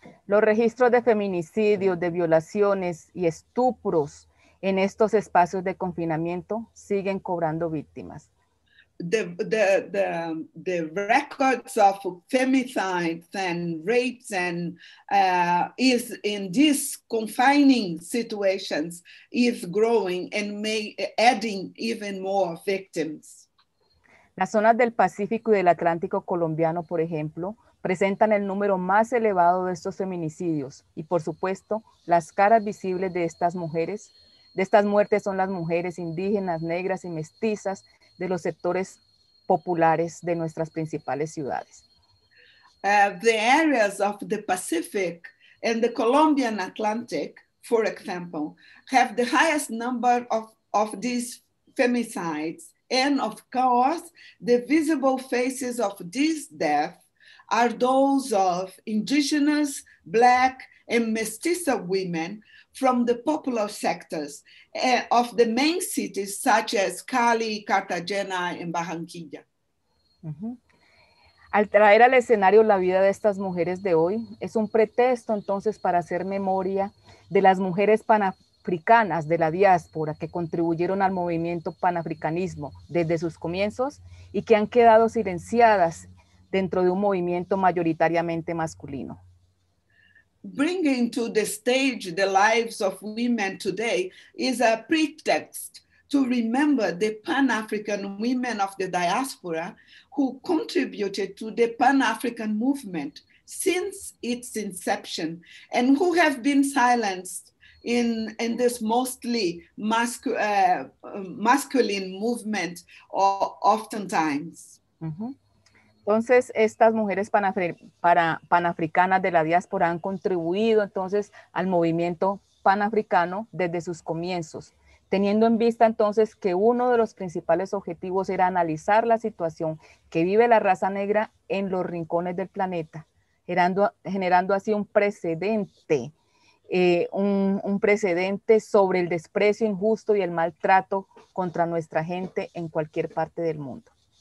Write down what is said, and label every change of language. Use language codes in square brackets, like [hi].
[es] Los registros de feminicidios, de violaciones y estupros en estos espacios de confinamiento siguen cobrando víctimas. [en] The records of femicides and rapes and is in these confining situations is growing and may adding even more victims. [es] Las zonas del Pacífico y del Atlántico colombiano, por ejemplo, presentan el número más elevado de estos feminicidios y, por supuesto, las caras visibles de estas mujeres, de estas muertes son las mujeres indígenas, negras y mestizas de los sectores populares de nuestras principales ciudades. [en] The areas of the Pacific and the Colombian Atlantic, for example, have the highest number of these femicides and, of course, the visible faces of these deaths are those of indigenous, Black, and mestizo women from the popular sectors of the main cities such as Cali, Cartagena, and Barranquilla. Mm-hmm. [es] Al traer al escenario la vida de estas mujeres de hoy, es un pretexto entonces para hacer memoria de las mujeres panafricanas de la diáspora que contribuyeron al movimiento panafricanismo desde sus comienzos y que han quedado silenciadas dentro de un movimiento mayoritariamente masculino. [en] Bringing to the stage the lives of women today is a pretext to remember the Pan-African women of the diaspora who contributed to the Pan-African movement since its inception and who have been silenced in this mostly masculine movement or oftentimes. [es] Entonces, estas mujeres panafricanas de la diáspora han contribuido entonces al movimiento panafricano desde sus comienzos, teniendo en vista entonces que uno de los principales objetivos era analizar la situación que vive la raza negra en los rincones del planeta, generando así un precedente sobre el desprecio injusto y el maltrato contra nuestra gente en cualquier parte del mundo.